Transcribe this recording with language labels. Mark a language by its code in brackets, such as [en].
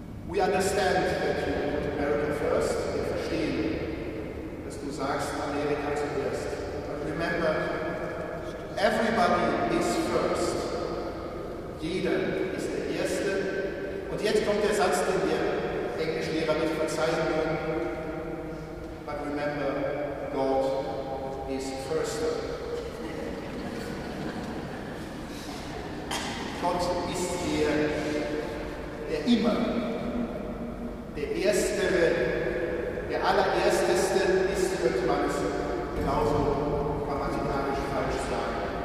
[en] We understand that you put America first. [de] Wir verstehen, dass du sagst, Amerika zuerst. [en] But remember, everybody is first. [de] Jeder ist der Erste. Und jetzt kommt der Satz, den wir Englischlehrer nicht verzeihen können. [en] But remember, God is first. [de] Gott ist der immer, der Erstere, der Allererste ist, könnte man es genauso grammatikalisch falsch sagen.